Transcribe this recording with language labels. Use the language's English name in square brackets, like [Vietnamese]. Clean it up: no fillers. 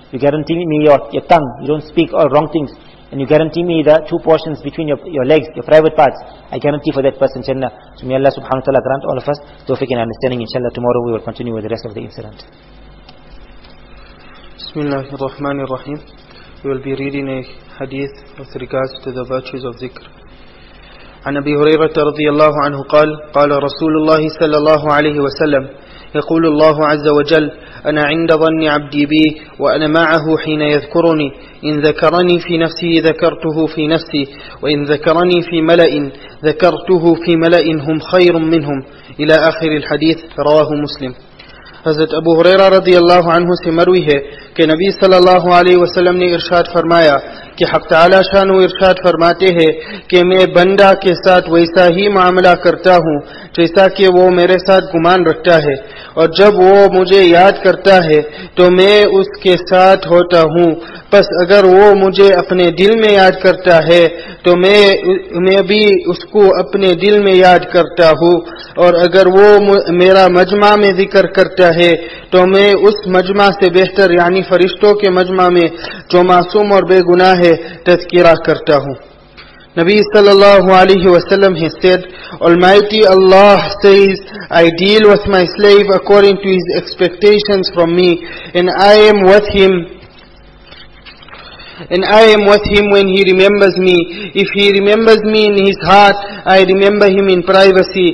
[English] You guarantee me your tongue, you don't speak all wrong things. And you guarantee me the two portions between your legs, your private parts, I guarantee for that person Jannah. So may Allah subhanahu wa ta'ala grant all of us tawfiq and understanding. Inshallah, tomorrow we will continue with the rest of the incident. Bismillahirrahmanirrahim. We will be reading a hadith with regards to the virtues of zikr. [Arabic] عن أبي هريرة رضي الله عنه قال قال رسول الله صلى الله عليه وسلم يقول الله عز وجل أنا عند ظن عبدي بي وأنا معه حين يذكرني إن ذكرني في نفسه ذكرته في نفسي وإن ذكرني في ملأ ذكرته في ملأ هم خير منهم إلى آخر الحديث رواه مسلم. [Urdu] حضرت ابو ہریرہ رضی اللہ عنہ سے مروی ہے کہ نبی صلی اللہ علیہ وسلم نے ارشاد فرمایا کہ حق تعالی شان و ارشاد فرماتے ہیں کہ میں بندہ کے ساتھ ویسا ہی معاملہ کرتا ہوں جیسا کہ وہ میرے ساتھ گمان رکھتا ہے اور جب وہ مجھے یاد کرتا ہے تو میں اس کے ساتھ ہوتا ہوں بس اگر وہ مجھے اپنے دل میں یاد کرتا ہے تو میں بھی اس کو اپنے دل میں یاد کرتا ہوں اور اگر وہ میرا مجمع میں ذکر کرتا ہے تو میں اس مجمع سے بہتر یعنی فرشتوں کے مجمع میں جو معصوم اور بے گناہ ہے تذکرہ کرتا ہوں. [English] Nabi sallallahu alayhi wa sallam has said, Almighty Allah says, I deal with my slave according to his expectations from me, and I am with him when he remembers me. If he remembers me in his heart, I remember him in privacy.